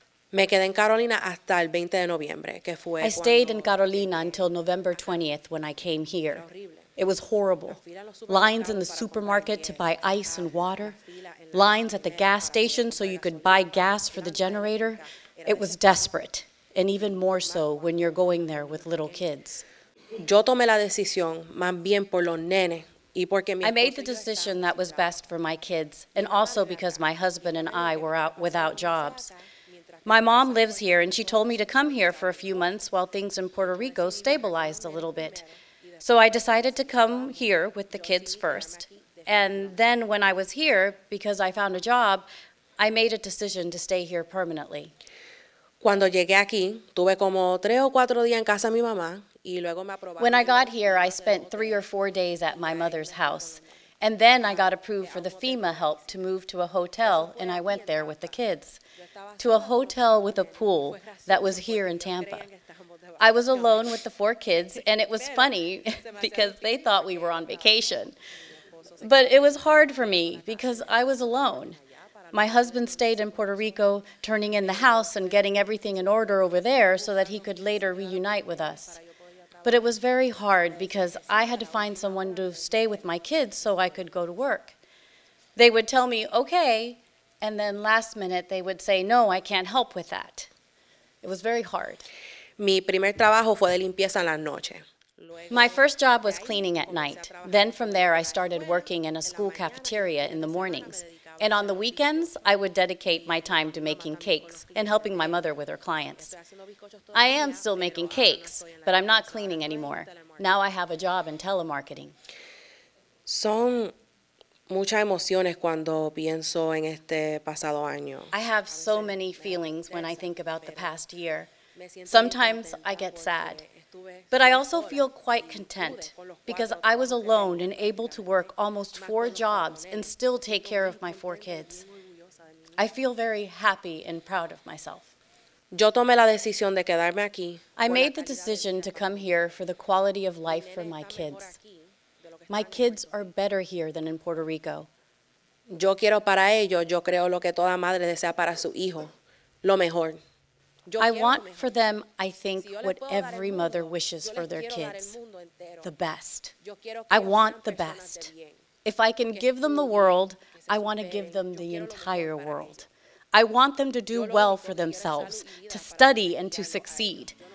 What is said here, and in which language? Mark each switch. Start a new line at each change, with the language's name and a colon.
Spanish: Me quedé en Carolina hasta el 20 de noviembre, que fue
English: I stayed in Carolina until November 20th when I came here. It was horrible. Lines in the supermarket to buy ice and water. Lines at the gas station so you could buy gas for the generator. It was desperate, and even more so when you're going there with little kids.
Spanish: Yo tomé la decisión más bien por los nenes.
English: I made the decision that was best for my kids, and also because my husband and I were out without jobs. My mom lives here, and she told me to come here for a few months while things in Puerto Rico stabilized a little bit. So I decided to come here with the kids first. And then when I was here, because I found a job, I made a decision to stay here permanently.
Spanish: Cuando llegué aquí, tuve como tres o cuatro días en casa de mi mamá.
English: When I got here, I spent 3 or 4 days at my mother's house, and then I got approved for the FEMA help to move to a hotel, and I went there with the kids, to a hotel with a pool that was here in Tampa. I was alone with the four kids, and it was funny because they thought we were on vacation. But it was hard for me because I was alone. My husband stayed in Puerto Rico, turning in the house and getting everything in order over there so that he could later reunite with us. But it was very hard because I had to find someone to stay with my kids so I could go to work. They would tell me, okay, and then last minute they would say, no, I can't help with that. It was very hard.
Spanish: Mi primer trabajo fue de limpieza en la noche.
English: My first job was cleaning at night. Then from there I started working in a school cafeteria in the mornings. And on the weekends, I would dedicate my time to making cakes and helping my mother with her clients. I am still making cakes, but I'm not cleaning anymore. Now I have a job in telemarketing.
Spanish: Son muchas emociones cuando pienso en este pasado año.
English: I have so many feelings when I think about the past year. Sometimes I get sad. But I also feel quite content because I was alone and able to work almost four jobs and still take care of my four kids. I feel very happy and proud of myself.
Spanish: Yo tomé la decisión de quedarme aquí.
English: I made the decision to come here for the quality of life for my kids. My kids are better here than in Puerto Rico.
Spanish: Yo quiero para ellos, yo creo lo que toda madre desea para su hijo, lo mejor.
English: I want for them, I think, what every mother wishes for their kids, the best. I want the best. If I can give them the world, I want to give them the entire world. I want them to do well for themselves, to study and to succeed.